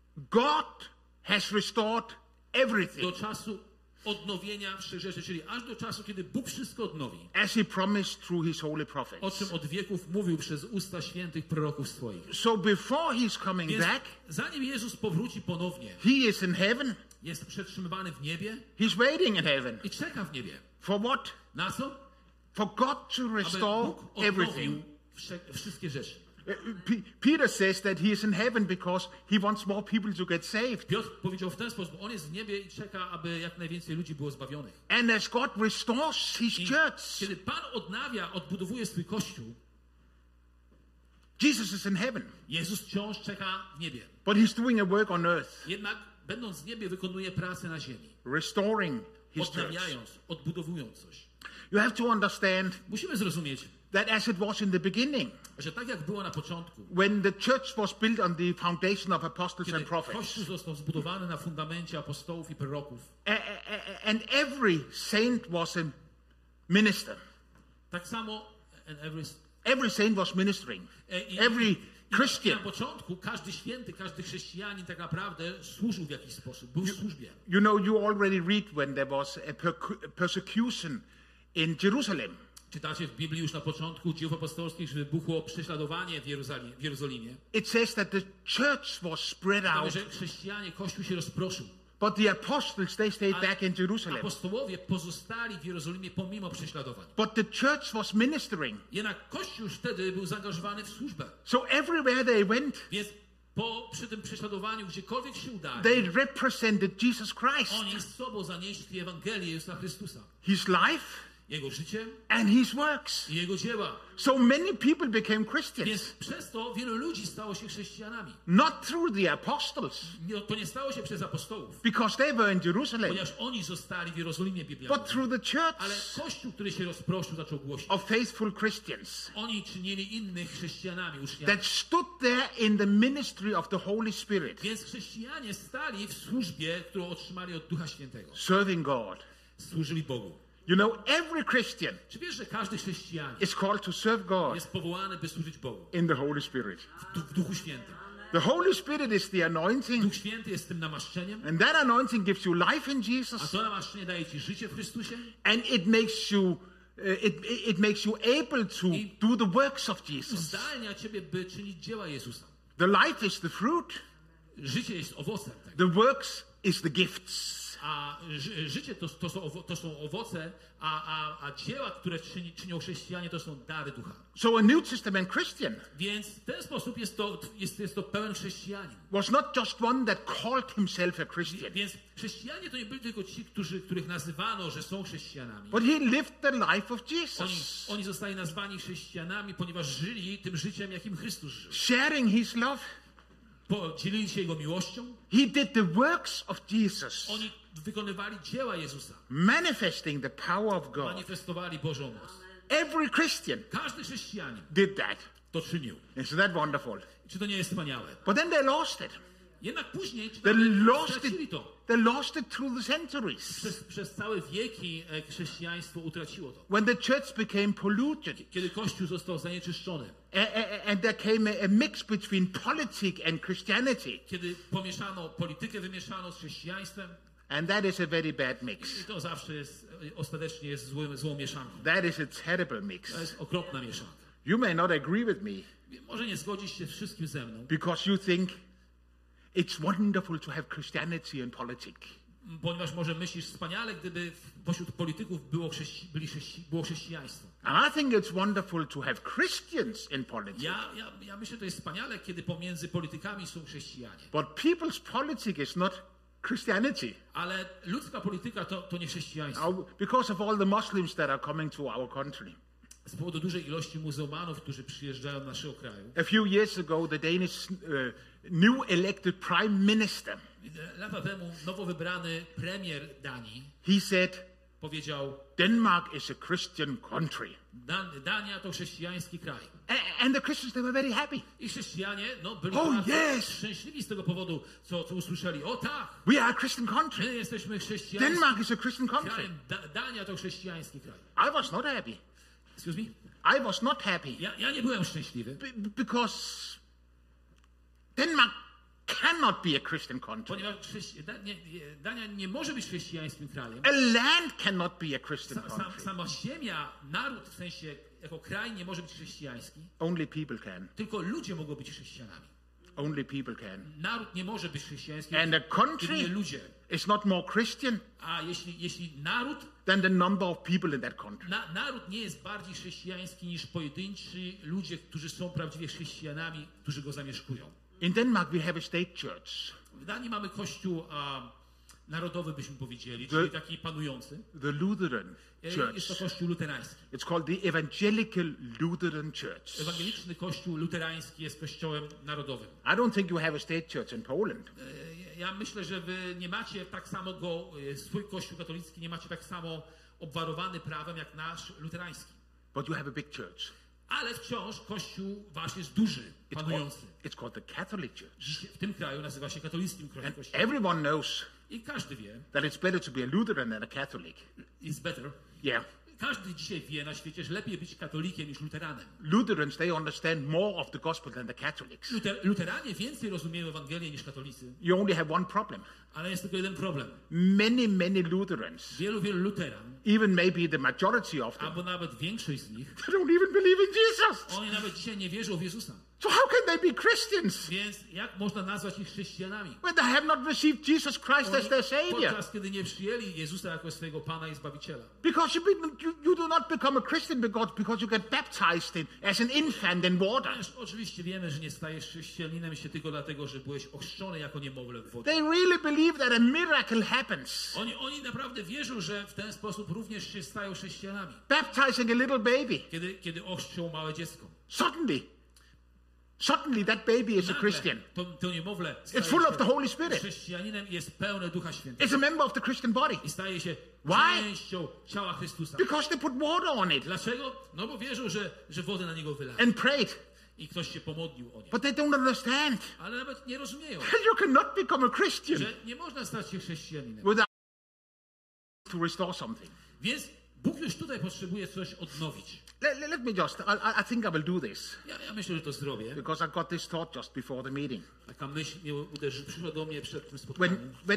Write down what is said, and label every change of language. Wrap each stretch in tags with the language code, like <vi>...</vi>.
<en>God has restored everything.</en> <pl>Do czasu odnowienia wszystkich rzeczy, czyli aż do czasu, kiedy Bóg wszystko odnowi.</pl> <en>As he promised through his holy prophets.</en> <pl>O czym od wieków mówił przez usta świętych proroków swoich.</pl> <en>So before he's coming back,</en> <pl>zanim Jezus powróci ponownie,</pl> <en>he is in heaven.</en> <pl>Jest przetrzymywany w niebie.</pl> <en>He's waiting in heaven.</en> <pl>I czeka w niebie.</pl> <en>For what?</en> <pl>Na co?</pl> <en>For God to restore everything.</en> <pl>Wszystkie rzeczy.</pl> <en>Peter says that he is in heaven because he wants more people to get saved.</en> <pl>Piotr powiedział w ten sposób, on jest w niebie i czeka, aby jak najwięcej ludzi było zbawionych.</pl> <en>And as God restores his church,</en> <pl>kiedy Pan odnawia, odbudowuje swój kościół,</pl> <en>Jesus is in heaven.</en> <pl>Jezus wciąż czeka w niebie.</pl> <en>But he's doing a work on earth.</en> <pl>Jednak będąc w niebie, wykonuje pracę na ziemi.</pl> <en>Restoring his church.</en> <pl>Odnawiając, odbudowując coś.</pl> <en>You have to understand.</en> <pl>Musimy zrozumieć.</pl> <en>That as it was in the beginning,</en> <pl>że tak jak było na początku,</pl> <en>when the church was built on the foundation of apostles and prophets,</en> <pl>kiedy Kościół został zbudowany na fundamencie apostołów i proroków,</pl> <en>and every saint was a minister,</en> <pl>tak samo</pl> <en>every saint was ministering, every Christian,</en> <pl>na początku każdy święty, każdy chrześcijanin tak naprawdę służył w jakiś sposób, był w służbie.</pl> <en>You know, you already read when there was a persecution in Jerusalem.</en> <pl>Czytacie w Biblii już na początku dziejów apostolskich, że wybuchło prześladowanie w Jerozolimie.</pl> <en>It says that the church was spread out.</en> <pl>Że chrześcijanie, kościół się rozproszył.</pl> <en>But the apostles, they stayed back in Jerusalem.</en> <pl>Apostołowie pozostali w Jerozolimie pomimo prześladowań.</pl> <en>But the church was ministering.</en> <pl>Jednak kościół wtedy był zaangażowany w służbę.</pl> <en>So everywhere they went.</en> <pl>Więc przy tym prześladowaniu, gdziekolwiek się udali,</pl> <en>they represented Jesus Christ.</en> <pl>Oni z sobą zanieśli Ewangelię Jezusa Chrystusa.</pl> <en>His life.</en> <pl>jego życie</pl> <en>and his works.</en> <pl>I jego dzieła.</pl> <en>So many people became Christians.</en> <pl>Więc przez to wielu ludzi stało się chrześcijanami.</pl> <en>Not through the apostles.</en> <pl>Nie, to nie stało się przez apostołów.</pl> <en>Because they were in Jerusalem.</en> <pl>Ponieważ oni zostali w Jerozolimie, Biblia.</pl> <en>But through the church.</en> <pl>Ale kościół, który się rozproszył, zaczął głosić.</pl> <en>Of faithful Christians.</en> <pl>Oni czynili innych chrześcijanami, uczniami.</pl> <en>That stood there in the ministry of the Holy Spirit.</en> <pl>Więc chrześcijanie stali w służbie, którą otrzymali od Ducha Świętego.</pl> <en>Serving God.</en> <pl>Służyli Bogu.</pl> <en>You know, every Christian</en> <pl>czy wiesz, że każdy chrześcijanin</pl> <en>is called to serve God</en> <pl>jest powołany, by służyć Bogu</pl> <en>in the Holy Spirit.</en> <pl>W Duchu Świętym.</pl> <en>The Holy Spirit is the anointing.</en> <pl>Duch Święty jest tym namaszczeniem.</pl> <en>And that anointing gives you life in Jesus.</en> <pl>A to namaszczenie daje ci życie w Chrystusie.</pl> <en>And it makes you able to do the works of Jesus.</en> <pl>Uzdalnia ciebie, by czynić dzieła Jezusa.</pl> <en>The life is the fruit.</en> <pl>Życie jest owocem tego.</pl> <en>The works is the gifts.</en> <pl>A życie to są owoce, a dzieła, które czynią chrześcijanie, to są dary ducha.</pl> <en>So a New Testament Christian.</en> <pl>Więc w ten sposób jest to pełen chrześcijanin.</pl> <en>Was not just one that called himself a Christian.</en> <pl>Więc chrześcijanie to nie byli tylko ci, których nazywano, że są chrześcijanami.</pl> <en>But he lived the life of Jesus.</en> <pl>Oni zostali nazwani chrześcijanami, ponieważ żyli tym życiem, jakim Chrystus żył.</pl> <en>Sharing his love.</en> <pl>Podzielili się jego miłością.</pl> <en>He did the works of Jesus.</en> <pl>Oni wykonywali dzieła Jezusa.</pl> <en>Manifesting the power of God.</en> <pl>Manifestowali Bożą moc.</pl> <en>Every Christian.</en> <pl>Każdy chrześcijanin.</pl> <en>Did that.</en> <pl>To czynił.</pl> <en>Isn't that wonderful?</en> <pl>Czy to nie jest wspaniałe?</pl> <en>But then they lost it.</en> <pl>Jednak później stracili to.</pl> <en>They lost it through the centuries.</en> <pl>Przez całe wieki chrześcijaństwo utraciło to.</pl> <en>When the church became polluted.</en> <pl>Kiedy kościół został zanieczyszczony.</pl> <en>And there came a mix between politics and Christianity.</en> <pl>Kiedy pomieszano politykę, wymieszano z chrześcijaństwem.</pl> <en>And that is a very bad mix.</en> <pl>I to zawsze jest, ostatecznie jest złą mieszanką.</pl> <en>That is a terrible mix.</en> <pl>To jest okropna mieszanka.</pl> <en>You may not agree with me.</en> <pl>Może nie zgodzisz się wszystkim ze mną.</pl> <en>Because you think it's wonderful to have Christianity and politics.</en> <pl>Ponieważ może myślisz, wspaniale, gdyby pośród polityków było chrześcijaństwo.</pl> <en>And I think it's wonderful to have Christians in politics.</en> <pl>Ja myślę, to jest wspaniale, kiedy pomiędzy politykami są chrześcijanie.</pl> <en>But people's politics is not Christianity.</en> <pl>Ale ludzka polityka to nie chrześcijaństwo.</pl> <en>Because of all the Muslims that are coming to our country.</en> <pl>Z powodu dużej ilości muzułmanów, którzy przyjeżdżają do naszego kraju.</pl> <en>A few years ago, the Danish new elected prime minister.</en> <pl>Lata temu nowo wybrany premier Danii.</pl> <en>He said.</en> <pl>Powiedział.</pl> <en>Denmark is a Christian country.</en> <pl>Dania to chrześcijański kraj.</pl> <en>And the Christians they were very happy.</en> <pl>I chrześcijanie byli szczęśliwi z tego powodu, co usłyszeli. O tak.</pl> <en>We are a Christian country.</en> <pl>My jesteśmy chrześcijanami.</pl> <en>Denmark is a Christian country.</en> <pl>Dania to chrześcijański kraj.</pl> <en>I was not happy. Excuse me. I was not happy.</en> <pl>Ja nie byłem szczęśliwy.</pl> <en>Because Denmark cannot be a Christian country.</en> <pl>Ponieważ Dania nie może być chrześcijańskim krajem.</pl> <en>A land cannot be a Christian country.</en> <pl>Sama ziemia, naród w sensie jako kraj nie może być chrześcijański.</pl> <en>Only people can.</en> <pl>Tylko ludzie mogą być chrześcijanami.</pl> <en>Only people can.</en> <pl>Naród nie może być chrześcijański.</pl> <en>And a country is not more Christian.</en> <pl>A jeśli naród,</pl> <en>than the number of people in that country.</en> <pl>Naród nie jest bardziej chrześcijański niż pojedynczy ludzie, którzy są prawdziwie chrześcijanami, którzy go zamieszkują.</pl> <en>In Denmark we have a state church.</en> <pl>W Danii mamy kościół narodowy, byśmy powiedzieli, czyli taki panujący.</pl> <en>The Lutheran church.</en> <pl>Jest to kościół luterański.</pl> <en>It's called the Evangelical Lutheran Church.</en> <pl>Ewangeliczny kościół luterański jest kościołem narodowym.</pl> <en>I don't think you have a state church in Poland.</en> <pl>Ja myślę, że wy nie macie tak samo swój kościół katolicki nie macie tak samo obwarowany prawem jak nasz luterański.</pl> <en>But you have a big church.</en> <pl>Ale wciąż kościół wasz jest duży, panujący.</pl> <en>It's called the Catholic Church.</en> <pl>W tym kraju nazywa się katolickim kościołem.</pl> <en>And everyone knows.</en> <pl>I każdy wie.</pl> <en>That it's better to be a Lutheran than a Catholic. It's better. Yeah.</en> <pl>Każdy dzisiaj wie na świecie, że lepiej być katolikiem niż luteranem.</pl> <en>Lutherans they understand more of the gospel than the Catholics.</en> <pl>Luteranie więcej rozumieją Ewangelię niż katolicy.</pl> <en>You only have one problem.</en> <pl>Ale jest tylko jeden problem.</pl> <en>Many Lutherans.</en> <pl>Wielu luteran.</pl> <en>Even maybe the majority of them.</en> <pl>Albo nawet większość z nich.</pl> <en>They don't even believe in Jesus.</en> <pl>Oni nawet dzisiaj nie wierzą w Jezusa.</pl> <en>So how can they be Christians?</en> <pl>Więc jak można nazwać ich chrześcijanami?</pl> <en>When they have not received Jesus Christ</en> <pl>oni</pl> <en>as their savior.</en> <pl>Podczas kiedy nie przyjęli Jezusa jako swojego Pana i Zbawiciela.</pl> <en>Because you do not become a Christian because you get baptized in as an infant in water.</en> <pl>Wiesz, oczywiście wiemy, że nie stajesz chrześcijaninem się tylko dlatego, że byłeś ochrzczony jako niemowlę w wodzie.</pl> <en>They really believe that a miracle happens.</en> <pl>Oni naprawdę wierzą, że w ten sposób również się stają chrześcijanami.</pl> <en>Baptizing a little baby.</en> <pl>Kiedy ochrzczą małe dziecko.</pl> <en>Suddenly. Suddenly that baby is</en> <pl>nagle,</pl> <en>a Christian.</en> <pl>To niemowlę staje</pl> <en>it's full of the Holy Spirit.</en> <pl>Chrześcijaninem jest pełne Ducha Świętego.</pl> <en>It's a member of the Christian body.</en> <pl>I staje się</pl> <en>why?</en> <pl>Częścią ciała Chrystusa.</pl> <en>Because they put water on it.</en> <pl>Dlaczego? No bo wierzą, że wodę na niego wylali.</pl> <en>And prayed.</en> <pl>I ktoś się pomodlił o nie.</pl> <en>But they don't understand.</en> <pl>Ale nawet nie rozumieją.</pl> <en>You cannot become a Christian.</en> <pl>Że nie można stać się chrześcijaninem.</pl> <en>Without to restore something.</en> <pl>Więc Bóg już tutaj potrzebuje coś odnowić.</pl> <en>Let me just. I think I will do this.</en> <pl>Ja myślę, że to zrobię.</pl> <en>Because I got this thought just before the meeting.</en> <pl>Taka myśl mi przyszła do mnie przed tym spotkaniem.</pl>